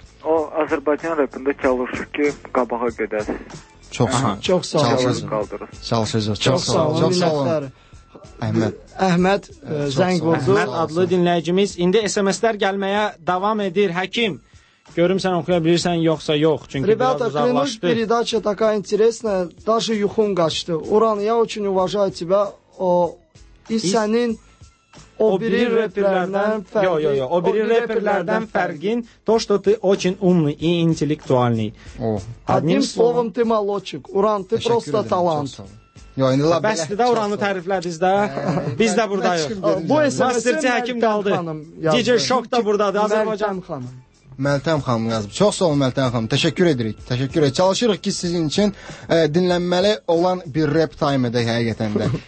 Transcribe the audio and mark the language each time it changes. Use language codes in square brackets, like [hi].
[az] O Azərbaycan rapində çalışır ki, qabağa gedəsiniz. Çox sağ olun. Çalışacağız. Çox sağ olun. Əhməd. Əhməd zəng vurdu. Əhməd adlı dinləyicimiz. İndi SMS-lər gəlməyə davam edir. Həkim, görüm sən oxuya bilirsən, yoxsa yox. Çünki [ru] Ребята, [az] biraz uzaqlaşdı. [ru] Ребята, клянусь, передача такая интересная, даже [az] юхун qaçdı. [ru] Уран, я очень уважаю тебя. И [az] сənin O biri rapperlerden fərqin. Yo, yo, yo. O biri rapperlerden fərqin. [ru] То, что ты очень умный и интеллектуальный. О. Одним словом, ты молодчик. Уран, ты просто талант. [az] Yo, indi la belə. Bəsdir də Uranı təriflədiniz də. Biz də buradayıq. Bu Məsirci həkim qaldı. DJ Şok da buradadır. Azərbaycan xanım. Məltəm xanım yazıb. Çox sağ olun Məltəm xanım. Təşəkkür edirik. Təşəkkür edirik. Çalışırıq ki sizin üçün dinlənməli olan bir rap time edək həqiqətən də.